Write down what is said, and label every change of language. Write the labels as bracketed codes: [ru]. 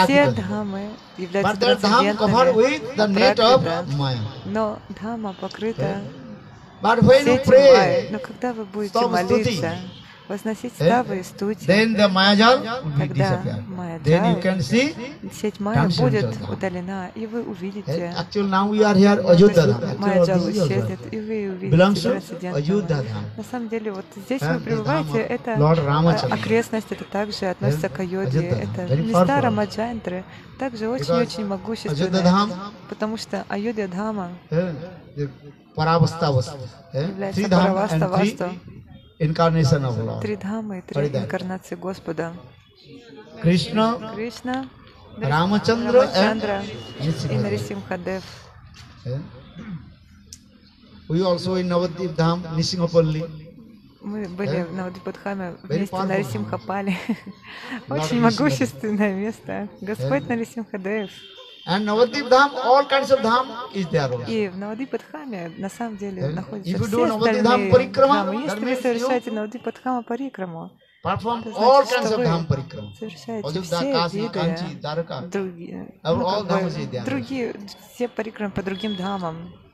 [ru] Все дхамы являются трансцендентными. [en] But that dham covered with the net of Maya. [ru] Но дхама покрыта. [en] But when you pray, [ru] но когда вы будете молиться, возносить ставы и стути, [en] then the Maya jal will disappear. Then you can see. [ru] Сеть Майя будет удалена, и вы увидите. [en] Actually, now we are here Ajodhya dham. [ru] Майя jal исчезнет, и вы увидите трансцендентное. На самом деле, вот здесь вы пребываете, это окрестность, это также относится к Айодхе. Это места Рамачандры, также очень-очень могущественные. Потому что Айодхья дхама является Параваставастом. [en] Incarnation of Lord. [ru] Три дхамы и три инкарнации Господа. Кришна, Кришна, Рамачандра и Нарисимхадев. [en] We also in Navadvip dham, Нисингхапалли. [ru] Мы были в Навадвипадхаме вместе на Нарисимхапали. Очень могущественное место. Господь Нарисимхадев. [en] And Navadvip dham, all kinds of dham is there also. [ru] И в Навадвипадхаме на самом деле находятся все остальные дхамы. Если вы совершаете Навадвипадхама парикраму, [en] perform all kinds of dham parikrama. [ru] Другие все парикрамы по другим дхамам.